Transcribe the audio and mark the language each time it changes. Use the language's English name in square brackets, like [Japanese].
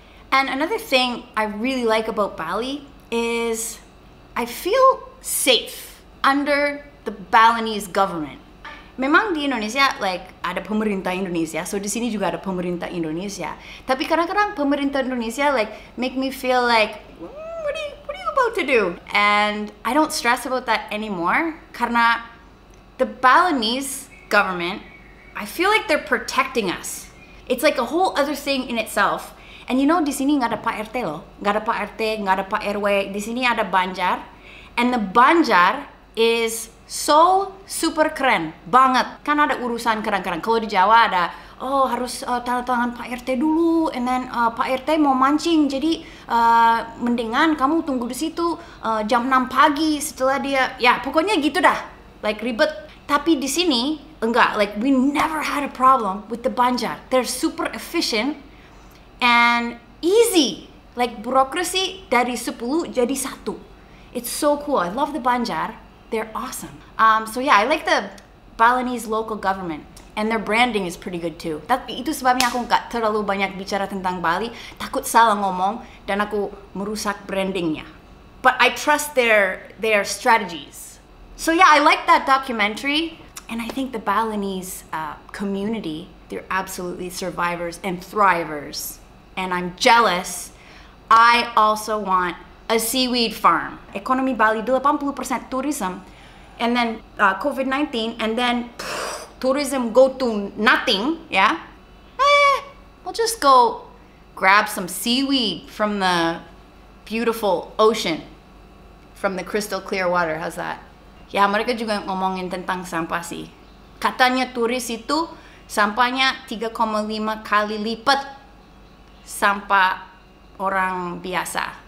[English] And another thing I really like about Bali is I feel safe under the Balinese government. [Indonesian] Memang di Indonesia like ada pemerintah Indonesia, so di sini juga ada pemerintah Indonesia. Tapi kadang-kadang pemerintah Indonesia [English] like make me feel like what are you about to do? And I don't stress about that anymore karena the Balinese government, I feel like they're protecting us. It's like a whole other thing in itself. And you know, [Indonesian] di sini nggak ada Pak RT loh, nggak ada Pak RT, nggak ada Pak RW. Di sini ada Banjar, [English] and the Banjar is so super [Indonesian] keren banget. Kan ada urusan kadang-kadang. Kalau di Jawa ada, oh harus tanda tangan Pak RT dulu, [English] and then [Indonesian] Pak RT mau mancing, jadi mendingan kamu tunggu di situ jam 6 pagi setelah dia. Ya pokoknya gitu dah, like ribet. Tapi di sini enggak, [English] like we never had a problem with the Banjar. They're super efficient and easy. Like bureaucracy [Indonesian] dari 10 jadi 1. [English] It's so cool. I love the Banjar. They're awesome. So yeah, I like the Balinese local government and their branding is pretty good too. [Indonesian] Tapi itu sebabnya aku enggak terlalu banyak bicara tentang Bali, takut salah ngomong dan aku merusak brandingnya. [English] But I trust their strategies. So yeah, I like that documentary. And I think the Balinese community, they're absolutely survivors and thrivers. And I'm jealous. I also want a seaweed farm. Economy Bali, 80% tourism. And then COVID-19, and then tourism go to nothing, yeah? I'll just go grab some seaweed from the beautiful ocean, from the crystal clear water, how's that? [Indonesian] Ya, mereka juga ngomongin tentang sampah sih. Katanya turis itu sampahnya 3,5 kali lipat sampah orang biasa.